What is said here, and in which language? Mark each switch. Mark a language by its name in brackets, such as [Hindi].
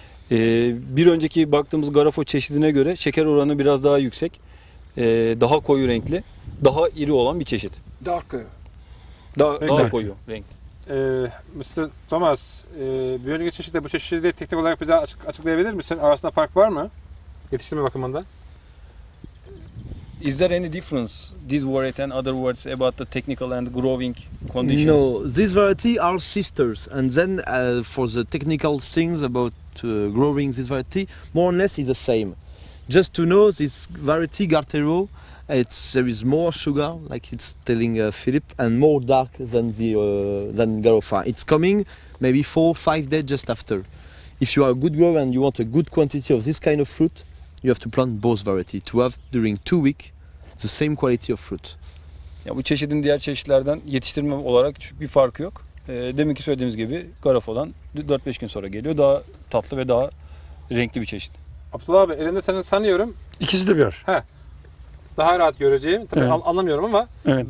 [Turkish] Bir önceki baktığımız Garofo çeşidine göre şeker oranı biraz daha yüksek. Daha koyu renkli, daha iri olan bir çeşit. [English] Darker. [Turkish] Daha koyu renkli. [English] Mr. [Turkish] Thomas, bir önceki çeşitle bu çeşidi teknik olarak bize açıklayabilir misin? Arasında fark var mı? Yetiştirme bakımından. [English] Is there any difference this variety and other words about the technical and growing conditions? No, these variety are sisters, and then for the technical things about growing this variety, more or less is the same. Just to know this variety Gartero, there is more sugar, like it's telling Philip, and more dark than the than Garofa. It's coming maybe 4-5 days just after. If you are a good grower and you want a good quantity of this kind of fruit, you have to plant both variety to have during 2 weeks the same quality of fruit. [Turkish] Ya bu çeşidin diğer çeşitlerden yetiştirme olarak bir farkı yok. Deminki söylediğimiz gibi Garofa'dan 4-5 gün sonra geliyor. Daha tatlı ve daha renkli bir çeşit. Abdullah abi elinde senin sanıyorum. İkisi de bir. He. Daha rahat göreceğim. Tabii evet. Anlamıyorum ama evet.